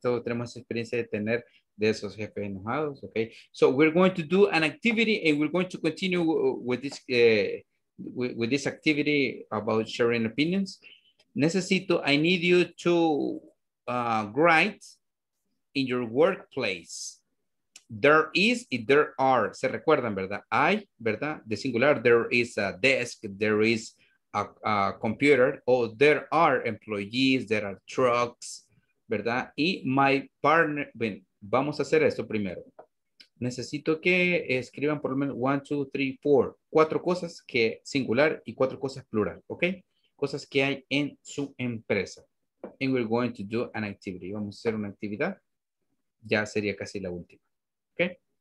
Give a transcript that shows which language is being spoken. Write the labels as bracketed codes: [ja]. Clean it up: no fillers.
[es] Todos tenemos experiencia de tener de esos jefes enojados. [en] Okay, so we're going to do an activity and we're going to continue with this activity about sharing opinions. [es] Necesito, [en] I need you to write in your workplace. [es] There is y there are. Se recuerdan, ¿verdad? Hay, ¿verdad? De singular, [en] there is a desk, there is a computer, or there are employees, there are trucks, ¿verdad? [es] Y my partner, bien, vamos a hacer esto primero. Necesito que escriban por lo menos 1, 2, 3, 4, cuatro cosas que singular y cuatro cosas plural, ¿ok? Cosas que hay en su empresa. [en] And we're going to do an activity. [es] Vamos a hacer una actividad. Ya sería casi la última. Okay.